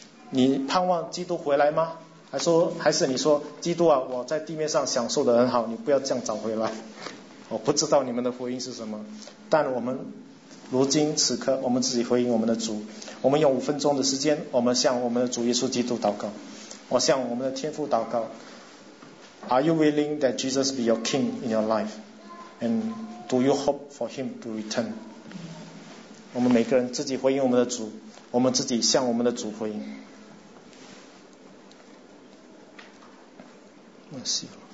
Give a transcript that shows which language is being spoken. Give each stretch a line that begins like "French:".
Chinese: 你盼望基督回来吗？还是你说，基督啊，我在地面上享受得很好，你不要这样找回来。我不知道你们的回应是什么，但我们如今此刻我们自己回应我们的主，我们用五分钟的时间，我们向我们的主耶稣基督祷告，我向我们的天父祷告。
English: Are you willing that Jesus be your king in your life? AndDo you hope for him to return?
Chinese: 我们每个人自己回应我们的主，我们自己向我们的主回应。那是。